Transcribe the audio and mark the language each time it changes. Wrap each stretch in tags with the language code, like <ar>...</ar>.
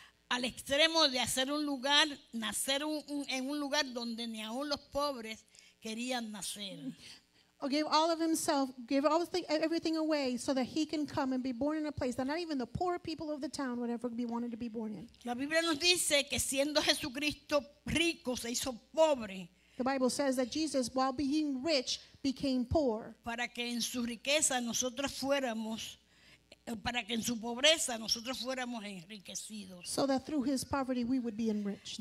<es>Al extremo de hacer un lugar, nacer en un lugar donde ni aun los pobres querían nacer.</es> <en>Gave all of himself, gave all everything away so that he can come and be born in a place that not even the poor people of the town would ever be wanted to be born in.</en> <es>La Biblia nos dice que siendo Jesucristo rico se hizo pobre.</es> <en>The Bible says that Jesus, while being rich, became poor.</en> <es>Para que en su riqueza nosotros fuéramos, para que en su pobreza nosotros fuéramos enriquecidos.</es> <en>So that through his poverty we would be enriched.</en>